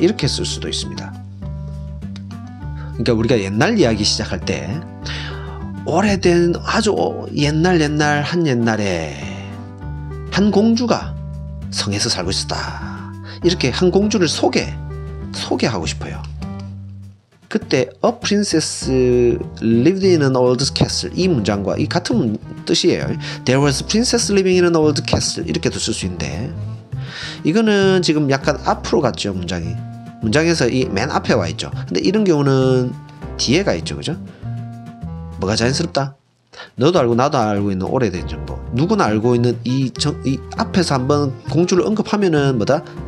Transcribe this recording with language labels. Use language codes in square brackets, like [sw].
[ko] 이렇게 쓸 수도 있습니다. 그러니까 우리가 옛날 이야기 시작할 때 오래된 아주 옛날 옛날 한 옛날에 한 공주가 성에서 살고 있었다. 이렇게 한 공주를 소개하고 싶어요. 그때 [en] A princess lived in an old castle. [ko] 이 문장과 이 같은 뜻이에요. [en] There was a princess living in an old castle. [ko] 이렇게도 쓸 수 있는데 이거는 지금 약간 앞으로 갔죠. 문장이. 문장에서 이 맨 앞에 와 있죠. 근데 이런 경우는 뒤에 가 있죠. 그죠? 뭐가 자연스럽다? 너도 알고 나도 알고 있는 오래된 정보. 누구나 알고 있는 이 앞에서 한번 공주를 언급하면은 뭐다?